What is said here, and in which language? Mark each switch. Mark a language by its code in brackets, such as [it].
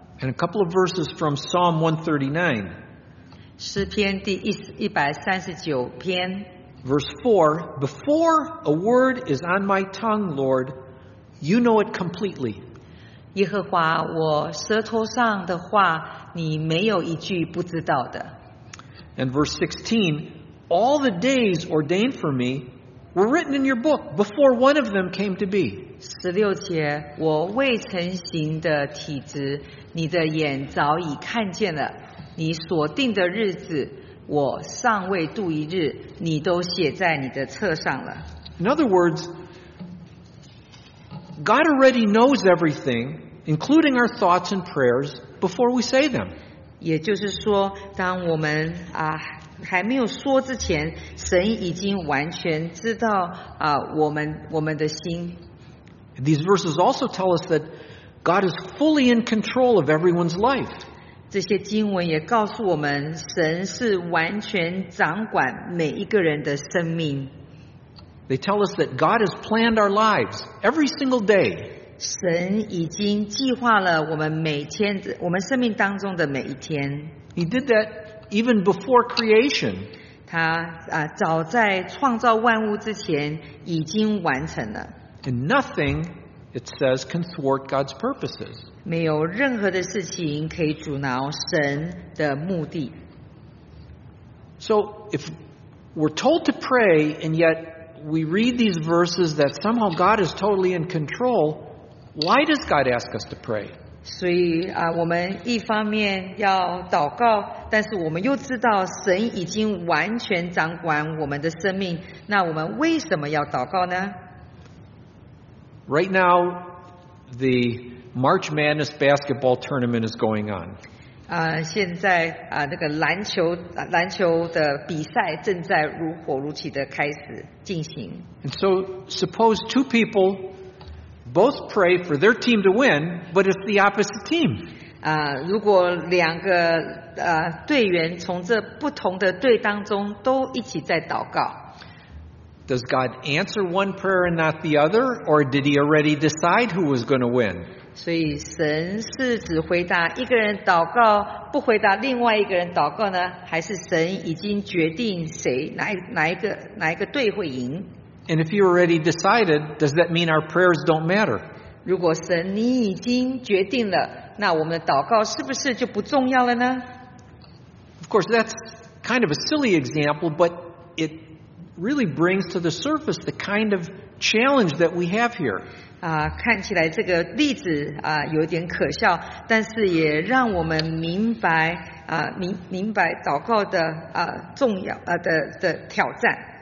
[en] And a couple of verses from Psalm 139. [zh] 诗篇第139篇。 [en] Verse 4, Before a word is on my tongue, Lord, you know it completely. [zh] 耶和华，我舌头上的话，你没有一句不知道的。 [en] And verse 16, all the days ordained for me were written in your book before one of them came to be. [zh] 十六节，我未成形的体质，你的眼早已看见了。你所定的日子，我尚未度一日，你都写在你的册上了。 [en] In other words,God already knows everything, including our thoughts and prayers, before we say them. [zh] 也就是说，当我们还没有说之前，神已经完全知道我们的心。 [en] These verses also tell us that God is fully in control of everyone's life. [zh] 这些经文也告诉我们，神是完全掌管每一个人的生命。 [en] They tell us that God has planned our lives every single day. [zh] 神已经计划了我们生命当中的每一天。 [en] He did that even before creation. [zh] 他早在创造万物之前已经完成了。 [en] And nothing, it says, can thwart God's purposes. [zh] 没有任何的事情可以阻挠神的目的。 [en] So, if we're told to pray and yet... We read these verses that somehow God is totally in control. Why does God ask us to pray? [zh] 所以我们一方面要祷告，但是我们又知道神已经完全掌管我们的生命。那我们为什么要祷告呢？ [en] Right now, the March Madness basketball tournament is going on. [zh] 现在那个篮球的比赛正在如火如荼的开始。 [en] And so, suppose two people both pray for their team to win, but it's the opposite team. [zh] 如果两个队员从这不同的队当中都一起在祷告。 [en] Does God answer one prayer and not the other, or did He already decide who was going to win? [zh] 所以神是只回答一个人祷告，不回答另外一个人祷告呢？还是神已经决定谁哪一个队会赢？ [en] And if you already decided, does that mean our prayers don't matter? [zh] 如果神你已经决定了，那我们的祷告是不是就不重要了呢？ [en] Of course, that's kind of a silly example, but it really brings to the surface the kind of challenge that we have here. [zh] 看起来这个例子有点可笑，但是也让我们明白明白祷告的重要的挑战。